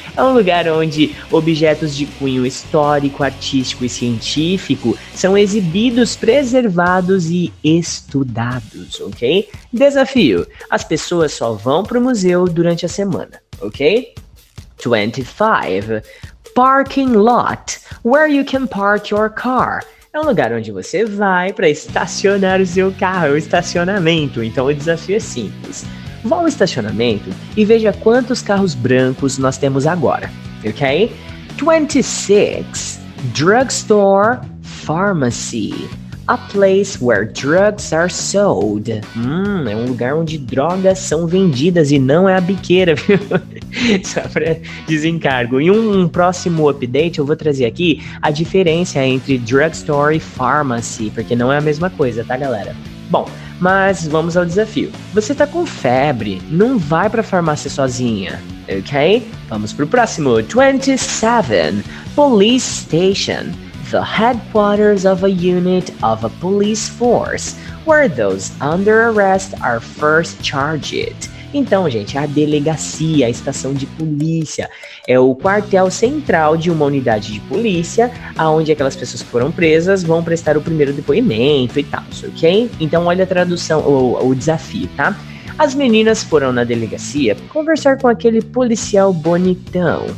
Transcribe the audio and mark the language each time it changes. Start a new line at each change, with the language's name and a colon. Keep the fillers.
Portuguese: É um lugar onde objetos de cunho histórico, artístico e científico são exibidos, preservados e estudados, ok? Desafio: as pessoas só vão para o museu durante a semana, ok? 25.
English: Parking lot where you can park your car.
Portuguese: É um lugar onde você vai para estacionar o seu carro, o estacionamento. Então o desafio é simples vá ao estacionamento e veja quantos carros brancos nós temos agora, ok?
English: 26. Drugstore, pharmacy. A place where drugs are sold.
Portuguese: Hum, é um lugar onde drogas são vendidas e não é a biqueira, viu? Só para desencargo. Em um, um próximo update eu vou trazer aqui a diferença entre drugstore e pharmacy, porque não é a mesma coisa, tá, galera? Bom, mas vamos ao desafio. Você tá com febre, não vai pra farmácia sozinha, ok? Vamos pro próximo. 27.
English: Police Station. The headquarters of a unit of a police force, where those under arrest are first charged.
Portuguese: Então, gente, a delegacia, a estação de polícia é o quartel central de uma unidade de polícia, aonde aquelas pessoas foram presas vão prestar o primeiro depoimento e tal, ok? Então olha a tradução, o, o desafio, tá? As meninas foram na delegacia conversar com aquele policial bonitão.